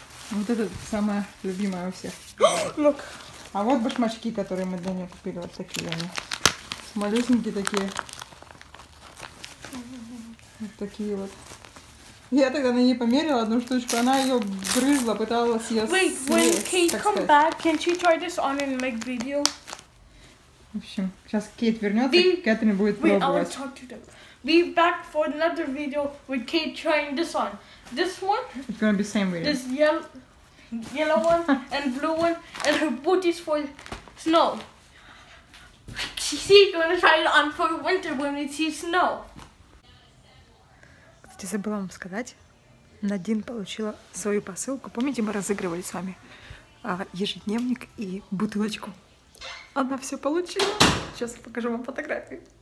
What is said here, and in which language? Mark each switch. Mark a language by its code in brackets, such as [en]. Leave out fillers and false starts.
[ru] Вот это самая любимая у всех. [en] Look. [ru] А вот башмачки, которые мы для нее купили, вот такие они. Малюсенькие такие. Вот такие вот. Я тогда на ней померила одну штучку, она ее грызла, пыталась съесть. [en] Wait, when Kate come back, can she try this on and make video? [ru] В общем, сейчас Кейт вернется, Кэтрин будет [en] wait, [ru] пробовать. [en] I want to talk to them. Be back for another video with Kate trying this on. This one? It's gonna be same video. This yellow one and blue one and her booties for snow. She's gonna try it on for winter when it sees snow. [ru] Кстати, забыла вам сказать, Надин получила свою посылку. Помните, мы разыгрывали с вами ежедневник и бутылочку. Она все получила. Сейчас я покажу вам фотографию.